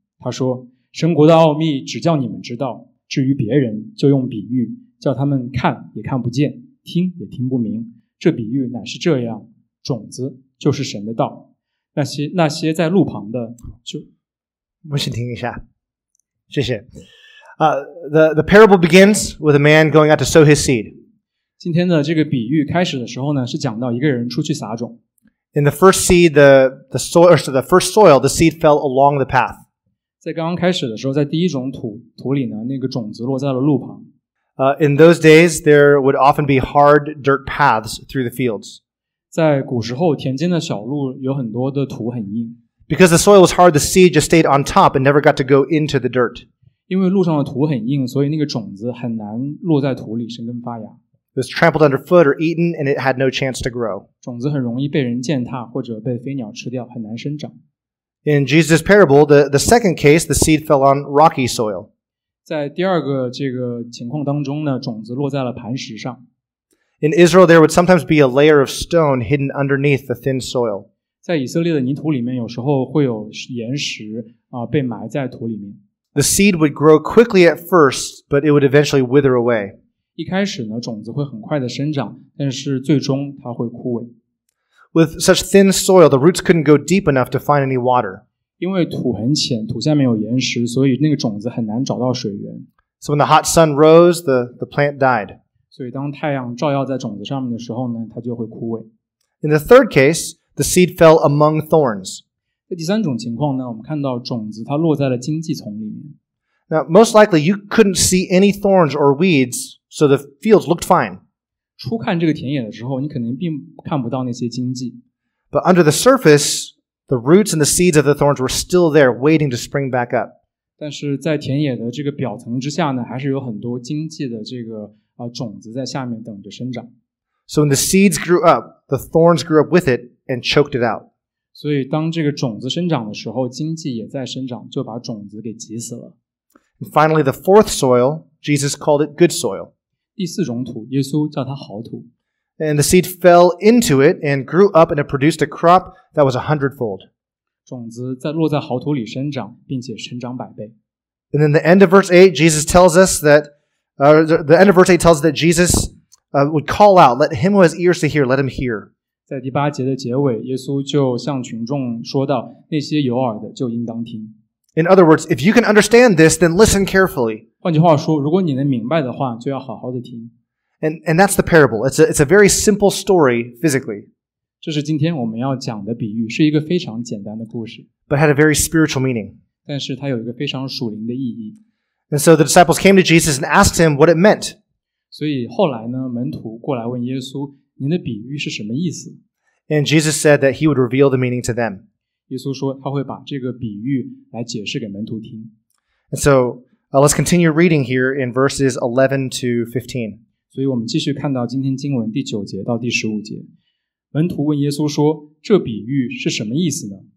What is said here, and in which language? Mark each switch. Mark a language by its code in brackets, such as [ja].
[zh] 他说，神国的奥秘只叫你们知道，至于别人就用比喻，叫他们看也看不见，听也听不明。这比喻乃是这样，种子就是神的道，那些在路旁的就。我先听一下，谢谢。 [en] The parable begins with a man going out to sow his seed. [zh] 今天的这个比喻开始的时候呢，是讲到一个人出去撒种。 [en] In the first seed, the first soil, the seed fell along the path. [zh] 在刚刚开始的时候，在第一种土里呢，那个种子落在了路旁。 [en] In those days, there would often be hard dirt paths through the fields. [zh] 在古时候，田间的小路有很多的土很硬。 [en] Because the soil was hard, the seed just stayed on top and never got to go into the dirt. [zh] 因为路上的土很硬，所以那个种子很难落在土里生根发芽。 [en] It was trampled underfoot or eaten, and it had no chance to grow. [zh] 种子很容易被人践踏或者被飞鸟吃掉，很难生长。 [en] In Jesus' parable, the second case, the seed fell on rocky soil. [zh] 在第二个这个情况当中呢，种子落在了磐石上。 [en] In Israel, there would sometimes be a layer of stone hidden underneath the thin soil. [zh] 在以色列的泥土里面，有时候会有岩石被埋在土里面。 [en] The seed would grow quickly at first, but it would eventually wither away. [zh] 一开始呢，种子会很快的生长，但是最终它会枯萎。 [en] With such thin soil, the roots couldn't go deep enough to find any water. [zh] 因为土很浅，土下面有岩石，所以那个种子很难找到水源。 [en] So when the hot sun rose, the plant died. [zh] 所以当太阳照耀在种子上面的时候呢，它就会枯萎。 [en] In the third case, the seed fell among thorns. [zh] 在第三种情况呢，我们看到种子它落在了荆棘丛里面。 [en] Now, most likely you couldn't see any thorns or weeds, so the fields looked fine. [zh] 初看这个田野的时候，你可能并看不到那些荆棘。 [en] But under the surface,The roots and the seeds of the thorns were still there, waiting to spring back up. [zh] 但是在田野的这个表层之下呢，还是有很多荆棘的这个种子在下面等着生长。 [en] So when the seeds grew up, the thorns grew up with it and choked it out. [zh] 所以当这个种子生长的时候，荆棘也在生长，就把种子给挤死了。 [en] And finally, the fourth soil, Jesus called it good soil. [zh] 第四种土，耶稣叫它好土。 [en] And the seed fell into it and grew up and it produced a crop that was 100-fold. [zh] 种子在落在好土里生长，并且成长百倍。 [en] And then the end of verse 8, Jesus tells us that, the end of verse 8 tells us that Jesus, would call out, let him who has ears to hear, let him hear. [zh] 在第八节的结尾，耶稣就向群众说道，那些有耳的就应当听。 [en] In other words, if you can understand this, then listen carefully. [zh] 换句话说，如果你能明白的话，就要好好的听。 [en] And that's the parable. It's a very simple story physically. [zh] 这是今天我们要讲的比喻，是一个非常简单的故事。 [en] But had a very spiritual meaning. [zh] 但是它有一个非常属灵的意义。 [en] And so the disciples came to Jesus and asked him what it meant. [zh] 所以后来呢，门徒过来问耶稣，您的比喻是什么意思？ [en] And Jesus said that he would reveal the meaning to them. [zh] 耶稣说他会把这个比喻来解释给门徒听。 [en] And so, let's continue reading here in verses 11 to 15. [zh] 所以我们继续看到今天经文第九节到第十五节。门徒问耶稣说，这比喻是什么意思呢？